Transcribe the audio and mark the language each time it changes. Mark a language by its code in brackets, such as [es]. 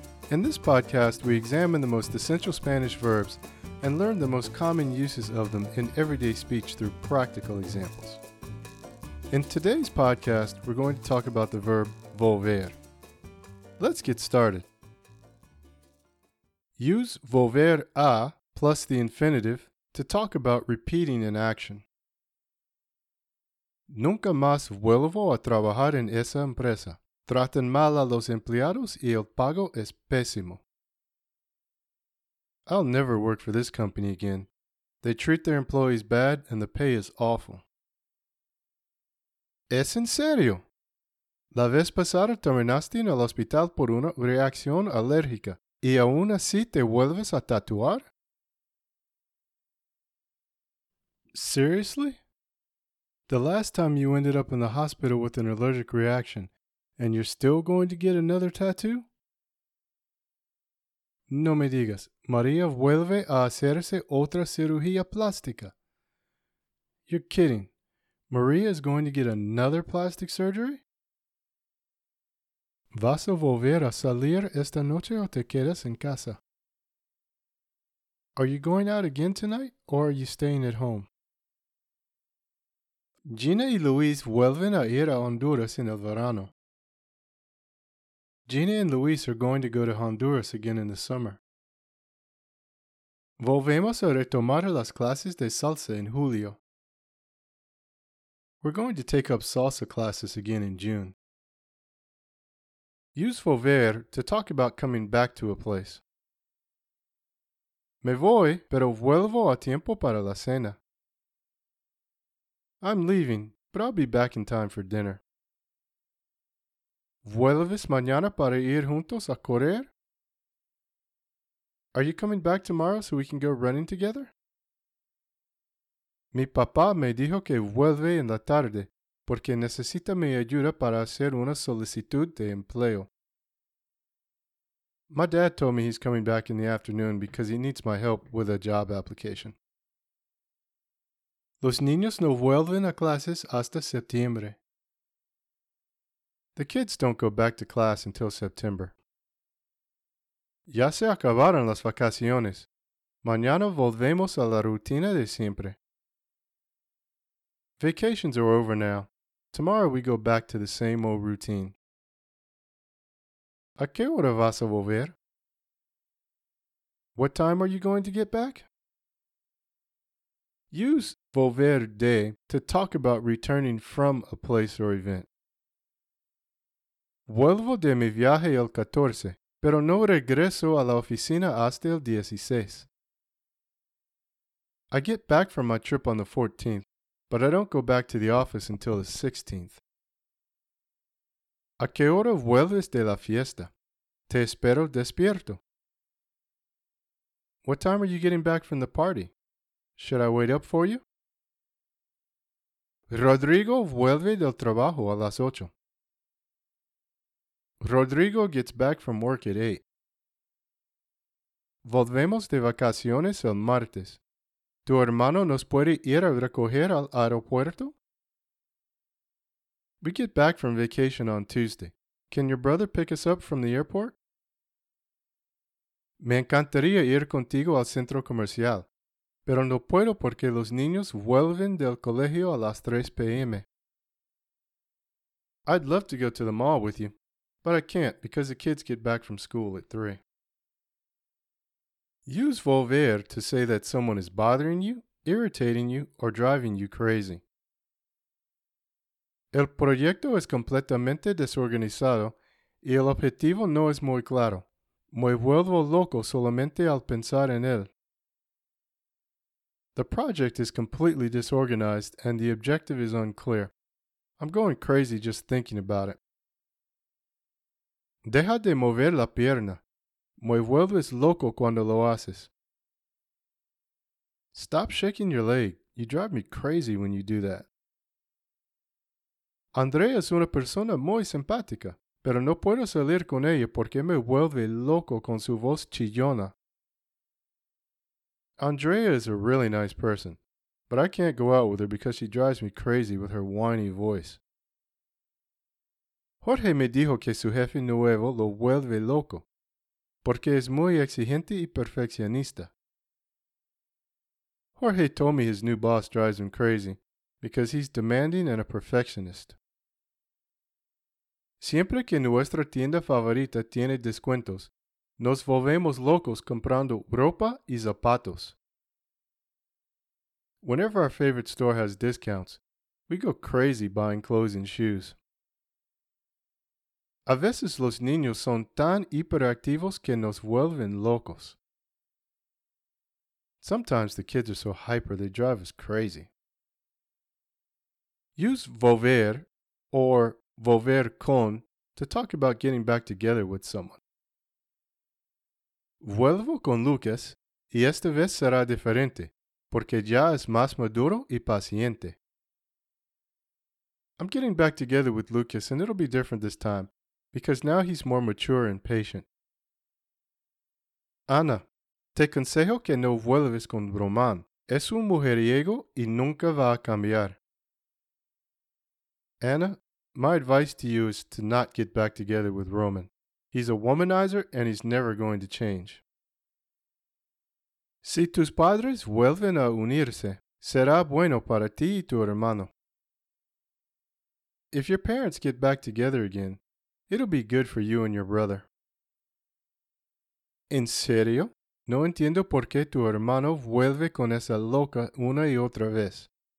[en] In this podcast, we examine the most essential Spanish verbs and learn the most common uses of them in everyday speech through practical examples. In today's podcast, we're going to talk about the verb volver. Let's get started. Use volver a plus the infinitive to talk about repeating an action. [es] Nunca más vuelvo a trabajar en esa empresa. Tratan mal a los empleados y el pago es pésimo. [en] I'll never work for this company again. They treat their employees bad and the pay is awful. [es] ¿Es en serio? La vez pasada terminaste en el hospital por una reacción alérgica y aún así te vuelves a tatuar? [en] Seriously? The last time you ended up in the hospital with an allergic reaction, and you're still going to get another tattoo? [es] No me digas, María vuelve a hacerse otra cirugía plástica. [en] You're kidding. María is going to get another plastic surgery? [es] ¿Vas a volver a salir esta noche o te quedas en casa? [en] Are you going out again tonight, or are you staying at home? [es] Gina y Luis vuelven a ir a Honduras en el verano. [en] Gina and Luis are going to go to Honduras again in the summer. [es] Volvemos a retomar las clases de salsa en julio. [en] We're going to take up salsa classes again in June. Use volver to talk about coming back to a place. [es] Me voy, pero vuelvo a tiempo para la cena. [en] I'm leaving, but I'll be back in time for dinner. [es] ¿Vuelves mañana para ir juntos a correr? [en] Are you coming back tomorrow so we can go running together? [es] Mi papá me dijo que vuelve en la tarde porque necesita mi ayuda para hacer una solicitud de empleo. [en] My dad told me he's coming back in the afternoon because he needs my help with a job application. [es] Los niños no vuelven a clases hasta septiembre. [en] The kids don't go back to class until September. [es] Ya se acabaron las vacaciones. Mañana volvemos a la rutina de siempre. [en] Vacations are over now. Tomorrow we go back to the same old routine. [es] ¿A qué hora vas a volver? [en] What time are you going to get back? Use volver de to talk about returning from a place or event. [es] Vuelvo de mi viaje el 14, pero no regreso a la oficina hasta el 16. [en] I get back from my trip on the 14th, but I don't go back to the office until the 16th. [es] ¿A qué hora vuelves de la fiesta? Te espero despierto. [en] What time are you getting back from the party? Should I wait up for you? [es] Rodrigo vuelve del trabajo a las 8. [en] Rodrigo gets back from work at 8. [es] Volvemos de vacaciones el martes. ¿Tu hermano nos puede ir a recoger al aeropuerto? [en] We get back from vacation on Tuesday. Can your brother pick us up from the airport? [es] Me encantaría ir contigo al centro comercial. Pero no puedo porque los niños vuelven del colegio a las 3 p.m. [en] I'd love to go to the mall with you, but I can't because the kids get back from school at 3. Use volver to say that someone is bothering you, irritating you, or driving you crazy. [es] El proyecto es completamente desorganizado y el objetivo no es muy claro. Me vuelvo loco solamente al pensar en él. [en] The project is completely disorganized and the objective is unclear. I'm going crazy just thinking about it. [es] Deja de mover la pierna. Me vuelves loco cuando lo haces. [en] Stop shaking your leg. You drive me crazy when you do that. [es] Andrea es una persona muy simpática, pero no puedo salir con ella porque me vuelve loco con su voz chillona. [en] Andrea is a really nice person, but I can't go out with her because she drives me crazy with her whiny voice. [es] Jorge me dijo que su jefe nuevo lo vuelve loco, porque es muy exigente y perfeccionista. [en] Jorge told me his new boss drives him crazy because he's demanding and a perfectionist. [es] Siempre que nuestra tienda favorita tiene descuentos, nos volvemos locos comprando ropa y zapatos. [en] Whenever our favorite store has discounts, we go crazy buying clothes and shoes. [es] A veces los niños son tan hiperactivos que nos vuelven locos. [en] Sometimes the kids are so hyper they drive us crazy. Use volver or volver con to talk about getting back together with someone. [es] Vuelvo con Lucas y esta vez será diferente porque ya es más maduro y paciente. [en] I'm getting back together with Lucas and it'll be different this time because now he's more mature and patient. [es] Ana, te aconsejo que no vuelves con Román. Es un mujeriego y nunca va a cambiar. [en] Ana, my advice to you is to not get back together with Roman. He's a womanizer and he's never going to change. [es] Si tus padres vuelven a unirse, será bueno para ti y tu hermano. [en] If your parents get back together again, it'll be good for you and your brother. [es] ¿En serio? No entiendo por qué tu hermano vuelve con esa loca una y otra vez.